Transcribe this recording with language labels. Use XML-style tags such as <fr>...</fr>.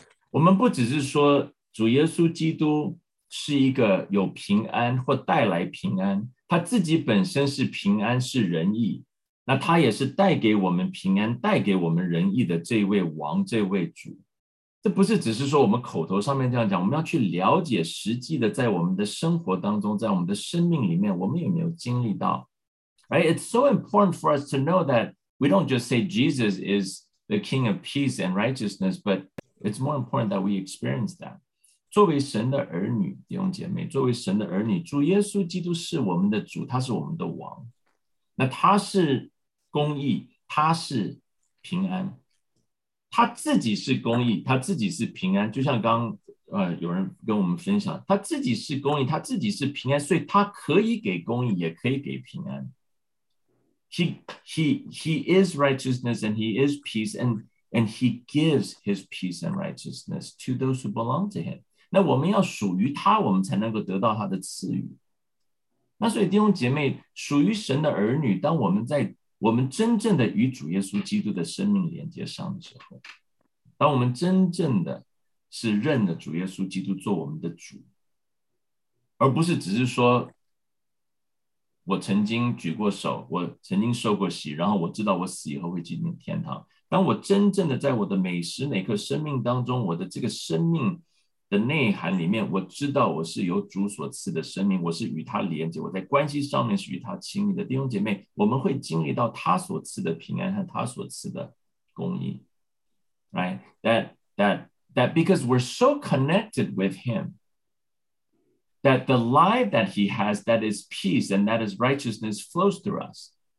<zh>我们不只是说主耶稣基督是一个有平安或带来平安，他自己本身是平安，是仁义，那他也是带给我们平安，带给我们仁义的这位王，这位主。这不是只是说我们口头上面这样讲，我们要去了解实际的，在我们的生活当中，在我们的生命里面，我们有没有经历到</zh> <en>Right? It's so important for us to know that we don't just say Jesus is the King of peace and righteousness, but it's more important that we experience that.</en> <zh>作为神的儿女，弟兄姐妹，作为神的儿女，主耶稣基督是我们的主，他是我们的王。那他是公义，他是平安。他自己是公义，他自己是平安。就像刚有人跟我们分享，他自己是公义，他自己是平安，所以他可以给公义，也可以给平安。</zh> <en>He is righteousness and he is peace and he gives his peace and righteousness to those who belong to him.</en> <zh>那我们要属于他，我们才能够得到他的赐予。那所以弟兄姐妹，属于神的儿女，当我们在我们真正的与主耶稣基督的生命连接上的时候，当我们真正的是认了主耶稣基督做我们的主，而不是只是说我曾经举过手，我曾经受过洗，然后我知道我死以后会进入天堂。当我真正的在我的每时每刻生命当中，我的这个生命的内涵里面，我知道我是由主所赐的生命，我是与他连接，我在关系上面是与他亲密的。弟兄姐妹，我们会经历到他所赐的平安和他所赐的公义。</zh> <en>Right? That because we're so connected with him,that the life that he has, that is peace and that is righteousness, flows through us.</en>